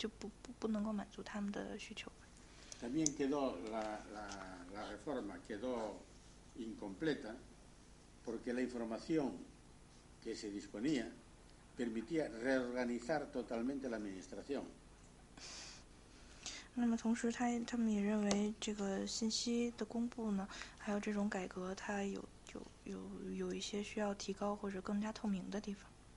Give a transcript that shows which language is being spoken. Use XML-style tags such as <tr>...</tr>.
<zh>那么，但是这些那个就是政府的评估呢，并没有得到一些工会组织的他们的完全的承认，因为他们还是认为这个政府的工作不够完善，或者说是还有很大的就不能够满足他们的需求。</zh> <es>También quedó la reforma quedó incompleta porque la información que se disponía permitía reorganizar totalmente la administración.</es> <zh>那么同时他们也认为这个信息的公布呢，还有这种改革，它有一些需要提高或者更加透明的地方。</zh>